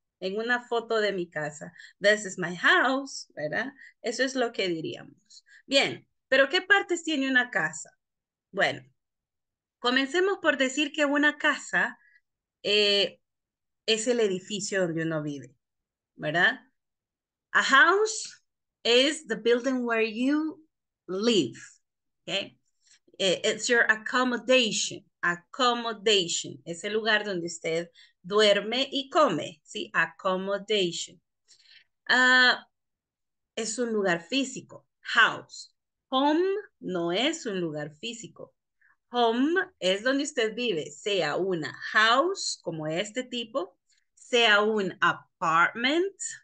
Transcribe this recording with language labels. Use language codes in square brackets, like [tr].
[es] En una foto de mi casa, [en] this is my house, [es] ¿verdad? Eso es lo que diríamos. Bien, pero ¿qué partes tiene una casa? Bueno, comencemos por decir que una casa es el edificio donde uno vive, ¿verdad? [en] A house is the building where you live, okay? It's your accommodation, accommodation. [es] Es el lugar donde usted duerme y come, ¿sí? [en] Accommodation. [es] Es un lugar físico. House. Home no es un lugar físico. Home es donde usted vive, sea una house como este tipo, sea un apartment,